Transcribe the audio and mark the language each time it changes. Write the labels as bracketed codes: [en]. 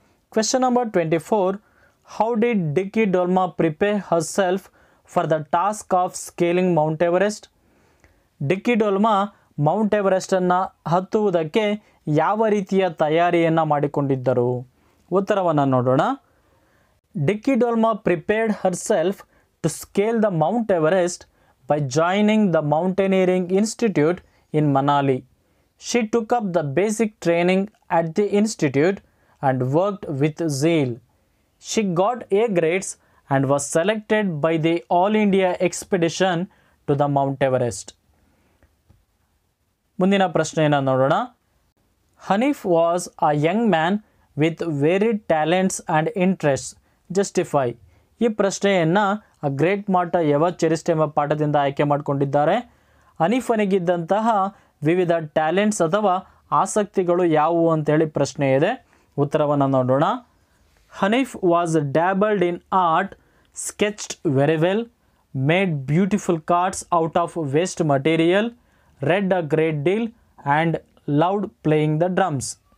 [en] Question number 24. How did Dicky Dolma prepare herself for the task of scaling Mount Everest? [kn] ಡಿಕ್ಕಿ Dolma Mount ಎವರೆಸ್ಟನ್ನು ಹತ್ತುವುದಕ್ಕೆ ಯಾವ ರೀತಿಯ ತಯಾರಿಯನ್ನು ಮಾಡಿಕೊಂಡಿದ್ದರು? ಉತ್ತರವನ್ನು ನೋಡೋಣ. [en] ಡಿಕ್ಕಿ Dolma prepared herself to scale the Mount Everest by joining the mountaineering institute in Manali. She took up the basic training at the institute and worked with zeal. She got A grades and was selected by the All India expedition to the Mount Everest. [kn] Mundina prashne ena nodona. [en] Hanif was a young man with varied talents and interests. Justify. [kn] ಈ ಪ್ರಶ್ನೆಯನ್ನು ಆ great ಮಾಟ ಯವಚರಿಸ್ಟ್ ಎಂಬ ಪಾಠದಿಂದ ಆಯ್ಕೆ ಮಾಡಿಕೊಂಡಿದ್ದಾರೆ. ಹನೀಫನಿಗಿದ್ದಂತಹ ವಿವಿಧ talents ಅಥವಾ ಆಸಕ್ತಿಗಳು ಯಾವುವು ಅಂತೇಳಿ ಪ್ರಶ್ನೆ ಇದೆ. ಉತ್ತರವನ್ನು ನೋಡೋಣ. [en] Hanif was dabbled in art, sketched very well, made beautiful cards out of waste material, read a great deal and loved playing the drums.